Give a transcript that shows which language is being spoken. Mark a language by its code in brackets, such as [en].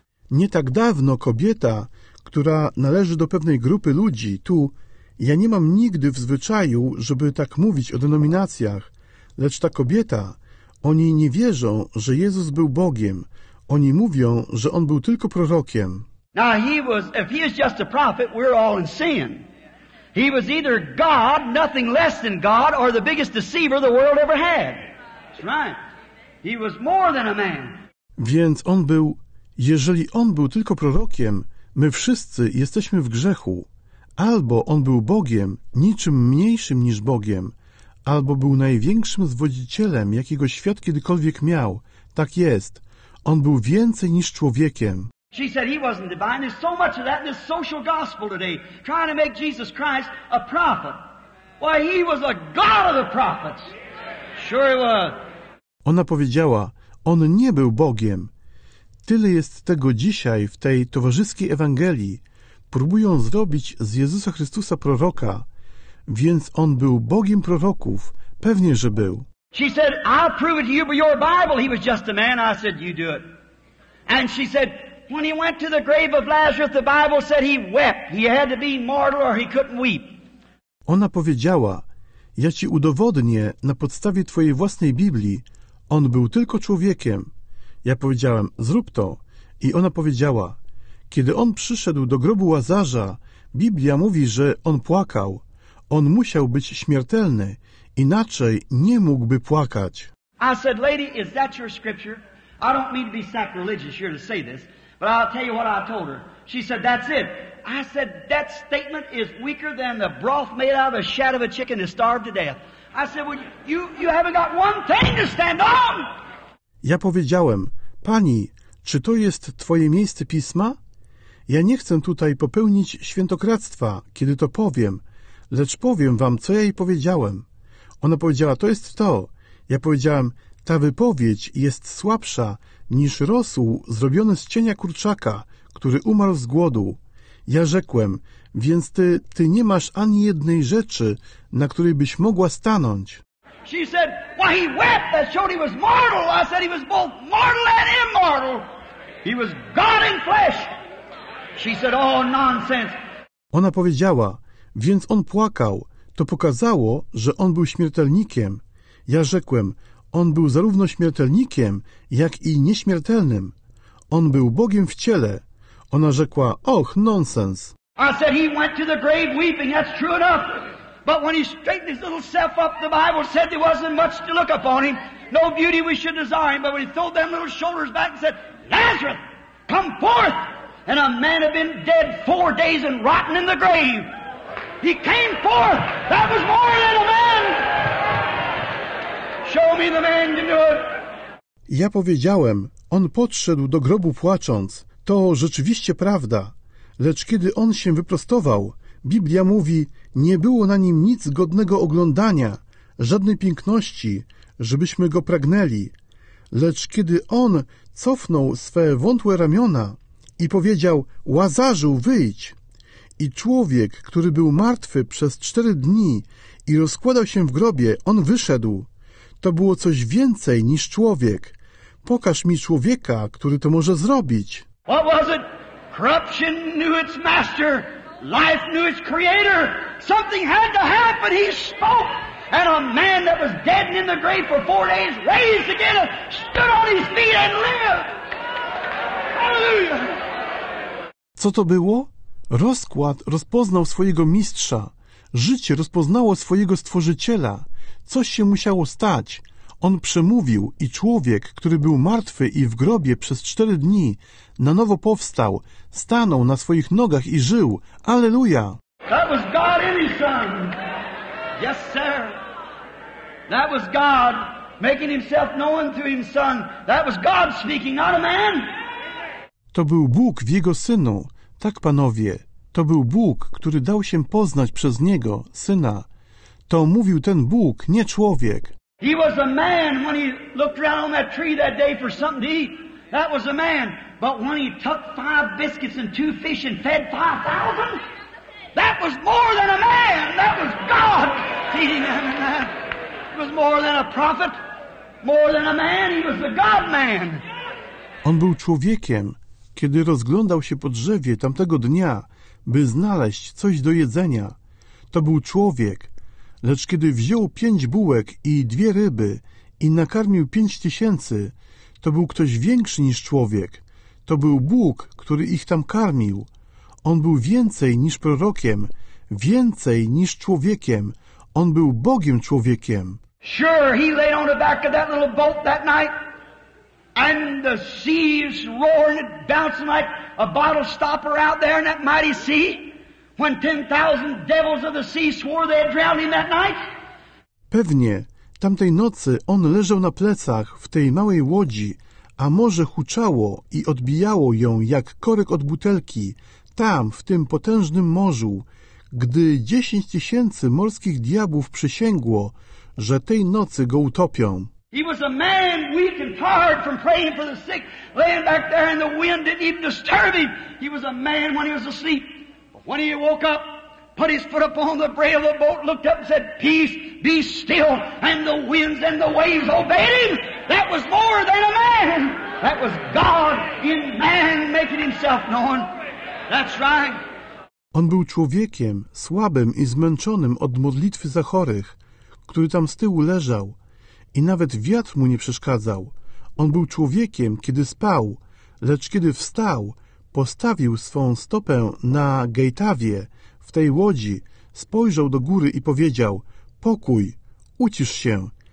[pl] Nie tak dawno kobieta, która należy do pewnej grupy ludzi, tu, ja nie mam nigdy w zwyczaju, żeby tak mówić o denominacjach, lecz ta kobieta, oni nie wierzą, że Jezus był Bogiem. Oni mówią, że on był tylko prorokiem. [en] Now he was, if he is just a prophet, we're all in sin. He was either God, nothing less than God, or the biggest deceiver the world ever had. That's right. He was more than a man. [pl] Więc on był, jeżeli on był tylko prorokiem, my wszyscy jesteśmy w grzechu. Albo on był Bogiem, niczym mniejszym niż Bogiem, albo był największym zwodzicielem, jakiego świat kiedykolwiek miał. Tak jest. On był więcej niż człowiekiem. [en] She said he wasn't divine. There's so much of that in this social gospel today, trying to make Jesus Christ a prophet. Why, he was a God of the prophets. Sure he was. [pl] Ona powiedziała, on nie był Bogiem. Tyle jest tego dzisiaj w tej towarzyskiej Ewangelii. Próbują zrobić z Jezusa Chrystusa proroka. Więc on był Bogiem proroków. Pewnie, że był. [en] She said, I'll prove it to you by your Bible. He was just a man. I said, you do it. And she said, when he went to the grave of Lazarus, the Bible said he wept. He had to be mortal or he couldn't weep. [pl] Ona powiedziała, ja ci udowodnię na podstawie twojej własnej Biblii, on był tylko człowiekiem. Ja powiedziałem, zrób to. I ona powiedziała, kiedy on przyszedł do grobu Łazarza, Biblia mówi, że on płakał. On musiał być śmiertelny, inaczej nie mógłby płakać. [en] I said, lady, is that your scripture? I don't mean to be sacrilegious here to say this, but I'll tell you what I told her. She said, that's it. I said, that statement is weaker than the broth made out of the shadow of a chicken that starved to death. I said, well, you haven't got one thing to stand on. [pl] Ja powiedziałem, pani, czy to jest twoje miejsce pisma? Ja nie chcę tutaj popełnić świętokradztwa, kiedy to powiem, lecz powiem wam, co ja jej powiedziałem. Ona powiedziała, to jest to. Ja powiedziałem, ta wypowiedź jest słabsza niż rosół zrobiony z cienia kurczaka, który umarł z głodu. Ja rzekłem, więc ty nie masz ani jednej rzeczy, na której byś mogła stanąć. [en] She said, why he wept, that showed he was mortal. I said he was both mortal and immortal. He was God in flesh. She said, oh, nonsense. [pl] Ona powiedziała, więc on płakał. To pokazało, że on był śmiertelnikiem. Ja rzekłem, on był zarówno śmiertelnikiem, jak i nieśmiertelnym. On był Bogiem w ciele. Ona rzekła, och, nonsens. [en] I said he went to the grave weeping, that's true enough. But when he straightened his little self up, the Bible said there wasn't much to look upon him. No beauty we should desire him. But when he threw them little shoulders back and said, Lazarus, come forth. And a man had been dead 4 days and rotten in the grave. He came forth. That was more than a man. Show me the man to do it. [pl] Ja powiedziałem, on podszedł do grobu płacząc. To rzeczywiście prawda. Lecz kiedy on się wyprostował, Biblia mówi, nie było na nim nic godnego oglądania, żadnej piękności, żebyśmy go pragnęli. Lecz kiedy on cofnął swe wątłe ramiona i powiedział, Łazarzu, wyjdź! I człowiek, który był martwy przez 4 dni i rozkładał się w grobie, on wyszedł. To było coś więcej niż człowiek. Pokaż mi człowieka, który to może zrobić. [en] What was it? Corruption knew its master. Life knew its creator. Something had to happen. He spoke. And a man that was dead and in the grave for 4 days, raised again, stood on his feet and lived. Hallelujah. [pl] Co to było? Rozkład rozpoznał swojego mistrza. Życie rozpoznało swojego stworzyciela. Coś się musiało stać. On przemówił i człowiek, który był martwy i w grobie przez 4 dni, na nowo powstał, stanął na swoich nogach i żył. Alleluja! [en] That was God in his son. Yes, sir. That was God making himself known through his son. That was God speaking, not a man. [pl] To był Bóg w jego synu. Tak, panowie, to był Bóg, który dał się poznać przez niego, syna. To mówił ten Bóg, nie człowiek. [en] He was a man when he looked around on that tree that day for something to eat. That was a man. But when he took 5 biscuits and 2 fish and fed 5,000, that was more than a man. That was God feeding them and that. He was more than a prophet, more than a man. He was the God man. [pl] On był człowiekiem, kiedy rozglądał się po drzewie tamtego dnia, by znaleźć coś do jedzenia. To był człowiek. Lecz kiedy wziął 5 bułek i 2 ryby i nakarmił 5000, to był ktoś większy niż człowiek. To był Bóg, który ich tam karmił. On był więcej niż prorokiem, więcej niż człowiekiem. On był Bogiem człowiekiem. [en] Sure, he lay on the back of that little boat that night and the seas roaring and bouncing like a bottle stopper out there in that mighty sea. When 10,000 devils of the sea swore they had drowned him that night? [pl] Pewnie, tamtej nocy on leżał na plecach w tej małej łodzi, a morze huczało i odbijało ją jak korek od butelki, tam, w tym potężnym morzu, gdy 10 tysięcy morskich diabłów przysięgło, że tej nocy go utopią. [en] He was a man weak and tired from praying for the sick, laying back there and the wind didn't even disturb him. He was a man when he was asleep. But when he woke up, put his foot upon the rail of the boat, looked up and said, "Peace, be still," and the winds and the waves obeyed him. That was more than a man. That was God in man making himself known. That's right. [pl] On był człowiekiem słabym i zmęczonym od modlitwy za chorych, który tam z tyłu leżał i nawet wiatr mu nie przeszkadzał. On był człowiekiem, kiedy spał, lecz kiedy wstał, postawił swą stopę na Gejtawie, w tej łodzi, spojrzał do góry i powiedział: "Pokój, ucisz się."